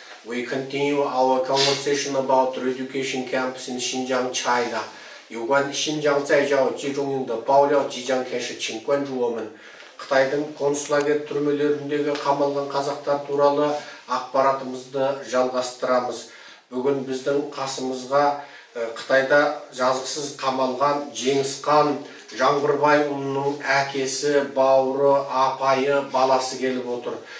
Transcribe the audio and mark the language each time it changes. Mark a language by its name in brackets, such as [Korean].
[English] We continue our conversation about re-education camps in Xinjiang, China. [Chinese] 有关新疆在教集中营的爆料即将开始，请关注我们。 [Kazakh] Қытайдың консулдар түрмелеріндегі қамалған қазақтар туралы ақпаратымызды жалғастырамыз. Бүгін біздің қасымызға Қытайда жазықсыз қамалған Жеңісхан Жаңбырбайұлының әкесі, бауыры, апайы, баласы келіп отыр.